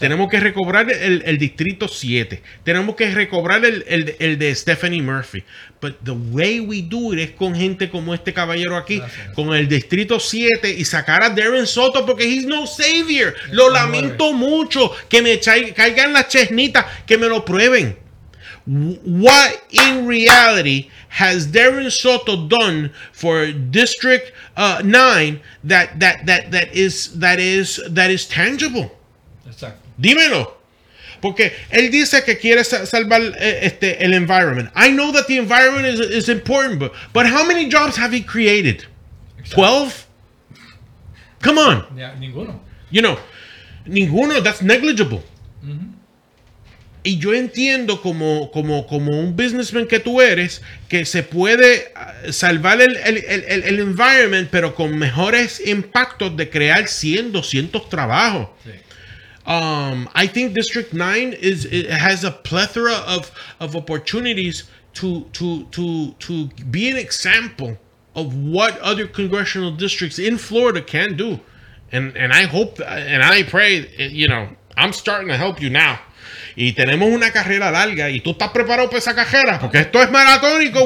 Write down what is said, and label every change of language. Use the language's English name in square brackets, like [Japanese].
[Spanish] Tenemos que recobrar el distrito 7. Tenemos que recobrar el de Stephanie Murphy. [English] But the way we do it [Spanish] es con gente como este caballero aquí. Gracias. Con el distrito 7 y sacar a Darren Soto porque [English] he's no savior. [Spanish] Lo lamento mucho. Que me caigan las chesnitas, que me lo prueben. [English] What in reality has Darren Soto done for District 9 that is tangible? [Spanish] Exacto. Dímelo. Porque él dice que quiere salvar el environment. [English] I know that the environment is important, but how many jobs have he created? [Spanish] Exacto. [English] 12? Come on. [Spanish] Yeah, ninguno. [English] You know, ninguno, that's negligible. [Spanish] Mm-hmm. Y yo entiendo como un businessman que tú eres, que se puede salvar el environment, pero con mejores impactos de crear 100, 200 trabajos. Sí. [English] I think District 9 has a plethora of opportunities to be an example of what other congressional districts in Florida can do. And I hope and I pray, you know, I'm starting to help you now. [Spanish] Y tenemos una carrera larga y tú estás preparado para esa carrera porque esto es maratónico.